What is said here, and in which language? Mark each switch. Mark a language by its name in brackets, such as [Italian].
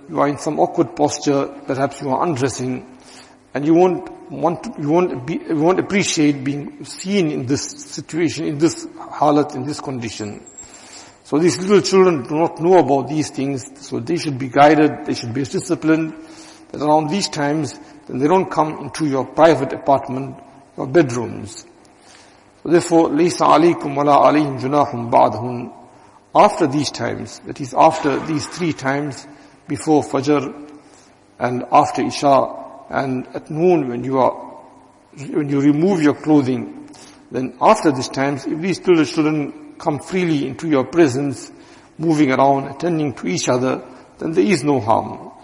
[English] You are in some awkward posture. Perhaps you are undressing. And you won't want to, you won't appreciate being seen in this situation, in this halat, in this condition. So these little children do not know about these things. So they should be guided. They should be disciplined. But around these times, then they don't come into your private apartment, your bedrooms. [Arabic] So therefore, لَيْسَ عَلَيْكُمْ وَلَا عَلَيْهِمْ جُنَاحٌ بَعْدْهُمْ. [English] After these times, that is after these three times, before Fajr and after Isha, and at noon when you remove your clothing, then after these times, if these little children come freely into your presence, moving around, attending to each other, then there is no harm.